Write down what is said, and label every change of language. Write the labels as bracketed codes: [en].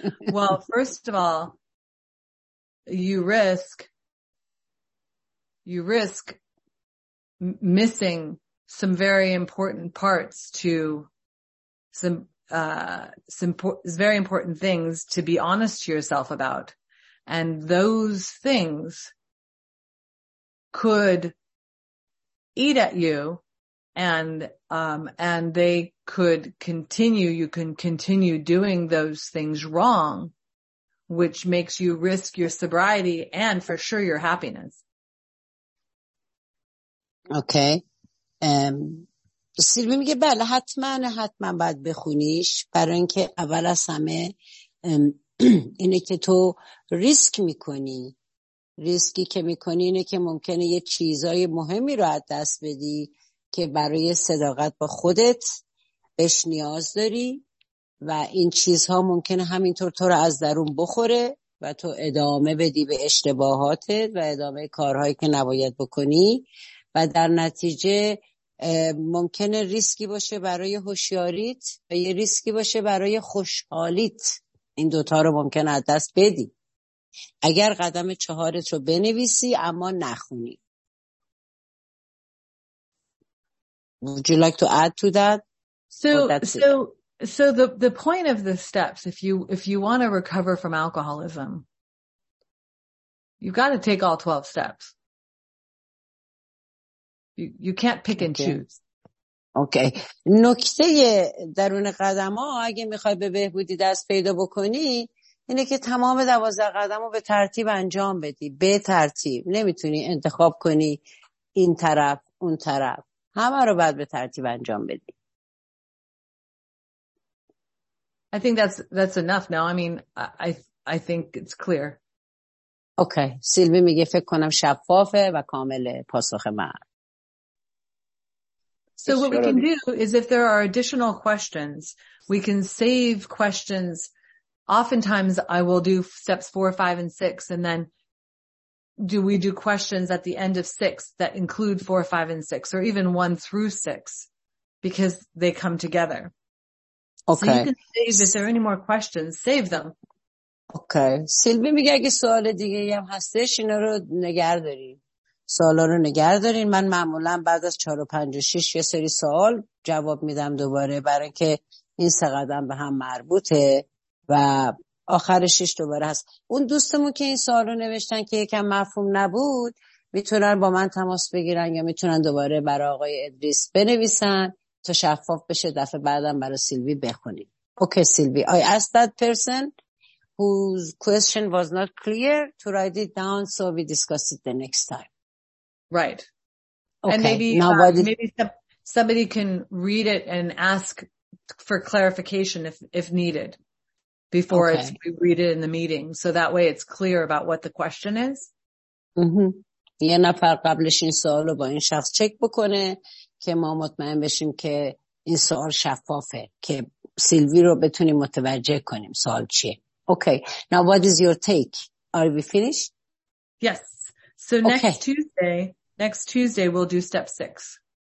[en] Well, first of all, you risk missing some very important parts to very important things to be honest to yourself about, and those things could eat at you and they could continue, you can continue doing those things wrong, which makes you risk your sobriety and for sure your happiness. Okay. [fa] سیلوی میگه بله حتما حتما باید بخونیش برای اینکه اول از همه اینه که تو ریسک میکنی، ریسکی که میکنی اینه که ممکنه یه چیزای مهمی رو از دست بدی که برای صداقت با خودت بهش نیاز داری و این چیزها ممکنه همینطور تو رو از درون بخوره و تو ادامه بدی به اشتباهاتت و ادامه کارهایی که نباید بکنی و در نتیجه ممکنه ریسکی باشه برای هوشیاریت و یه ریسکی باشه برای خوشحالیت. این دوتا رو ممکنه از دست بدی اگر قدم چهارت رو بنویسی اما نخونی. [en] Would you like to add to that? So the point of the steps, if you want to recover from alcoholism, you've got to take all 12 steps. You can't pick and choose. Okay. [fa] نکته درون قدم ها اگه میخوای به بهبودی دست پیدا بکنی اینه که تمام 12 قدم رو به ترتیب انجام بدی. به ترتیب. نمیتونی انتخاب کنی این طرف اون طرف. همه رو باید به ترتیب انجام بدی. [en] I think that's enough now. I mean, I think it's clear. Okay. [fa] سیلوی میگه فکر کنم شفافه و کامل پاسخ من. [en] So what we can do is if there are additional questions, we can save questions. Oftentimes I will do steps 4, 5, and 6 and then we do questions at the end of 6 that include 4, 5, and 6 or even 1 through 6 because they come together. Okay. So you can save, if there are any more questions, save them. Okay. [fa] Silvi میگه اگه سوال دیگه هم هستش اینا رو نگهداریم. سوالا رو نگه دارین. من معمولا بعد از 4, 5, 6 یه سری سوال جواب میدم دوباره برای که این سه قدم به هم مربوطه و آخرشش دوباره هست. اون دوستمون که این سوال رو نوشتن که یکم مفهوم نبود میتونن با من تماس بگیرن یا میتونن دوباره برای آقای ادریس بنویسن تا شفاف بشه دفعه بعدم برای سیلوی بخونیم. اوکی سیلوی. [en] I asked that person whose question was not clear to write it down so we discuss it the next time. Right. Okay. And maybe somebody can read it and ask for clarification if needed before it's we read it in the meeting. So that way it's clear about what the question is. [fa] یه نفر قبلش این سوال رو با این شخص چک بکنه که ما مطمئن بشیم که این سوال شفافه که سیلوی رو بتونیم متوجه کنیم سوال چیه. [en] Okay. Now what is your take? Are we finished? Yes. So next Tuesday we'll do step 6.